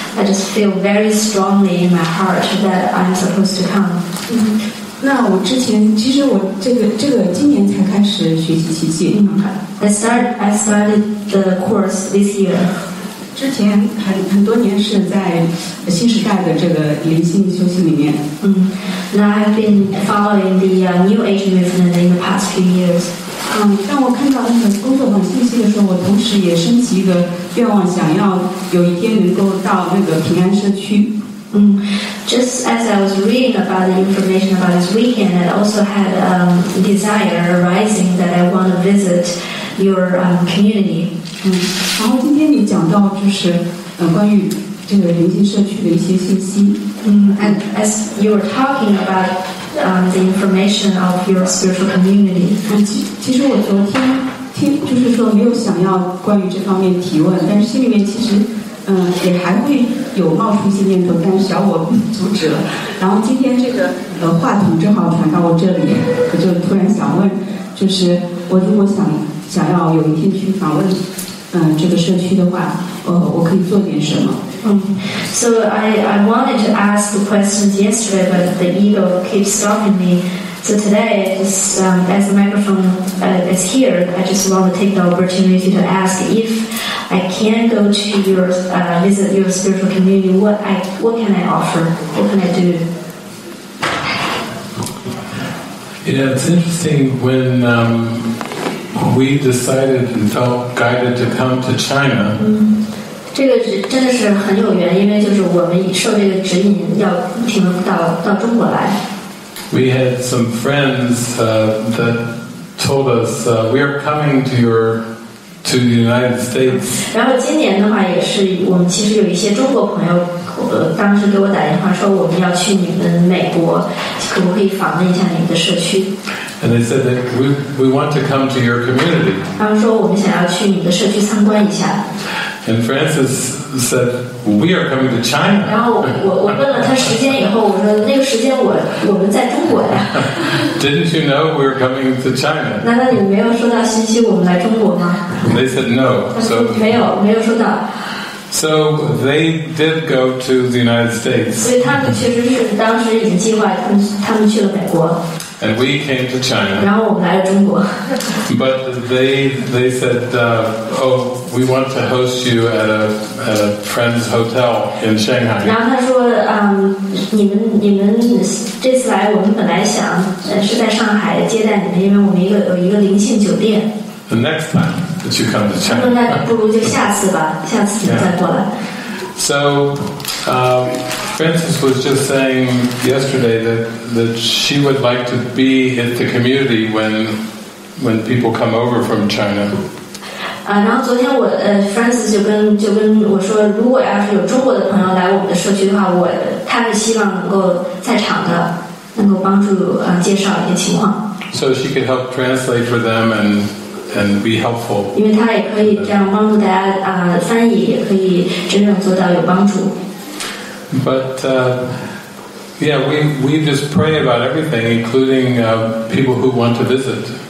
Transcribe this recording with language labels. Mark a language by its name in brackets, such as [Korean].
[English] I just feel very strongly in my heart that I'm supposed to come. [Chinese] 那我之前其实我这个今年才开始学习奇迹。 [English] I started the course this year. [Chinese] 之前很多年是在新时代的这个灵性修行里面。那 [English] I've been following the New Age movement in the past few years. [Chinese] 当我看到那个工作坊信息的时候，我同时也升起一个愿望，想要有一天能够到那个平安社区。 [English] Just as I was reading about the information about this weekend, I also had a desire arising that I want to visit your community. [Chinese] 然后今天你讲到就是关于这个灵性社区的一些信息。 [English] And as you were talking about the information of your spiritual community. [Chinese] 其实我昨天听就是说没有想要关于这方面提问，但是心里面其实也还会有冒出一些念头，但是小我阻止了。然后今天这个话筒正好传到我这里，我就突然想问，就是我如果想要有一天去访问这个社区的话，我可以做点什么。 [English] So I wanted to ask the questions yesterday, but the ego keeps stopping me. So today, as the microphone is here, I just want to take the opportunity to ask if I can go to your visit your spiritual community. What can I offer? What can I do? Yeah, it's interesting when. We decided and felt guided to come to China. [Chinese] 这个真的是很有缘，因为就是我们受这个指引要停到中国来。 [English] We had some friends that told us we are coming to the United States. [Chinese] 然后今年的话，也是我们其实有一些中国朋友当时给我打电话说我们要去你们美国，可不可以访问一下你们的社区？ [English] And they said that we want to come to your community. [Chinese] 他们说我们想要去你的社区参观一下。 [English] And Francis said we are coming to China. [Chinese] 然后我问了他时间以后，我说那个时间我们在中国呀。 [English] Didn't you know we are coming to China? [Chinese] 难道你没有收到信息我们来中国吗？ [English] And they said no. So [Chinese] 没有收到。 [English] So they did go to the United States. [Chinese] 所以他们确实是当时已经计划他们去了美国。 [English] And we came to China. [Chinese] 然后我们来了中国。 [English] But they said, we want to host you at a friend's hotel in Shanghai. [Chinese] 然后他说，你们这次来，我们本来想是在上海接待你们，因为我们有一个灵性酒店。 [English] The next time that you come to China. [Chinese] 那不如就下次吧，下次你再过来。 [English] Yeah. So. Francis was just saying yesterday that she would like to be in the community when people come over from China. [Chinese] 然后昨天我Francis 就跟我说，如果要是有中国的朋友来我们的社区的话，他们希望能够在场的，能够帮助介绍一些情况。 [English] So she could help translate for them and be helpful. [Chinese] 因为他也可以这样帮助大家翻译，也可以真正做到有帮助。 [English] But Yeah, we just pray about everything, including people who want to visit.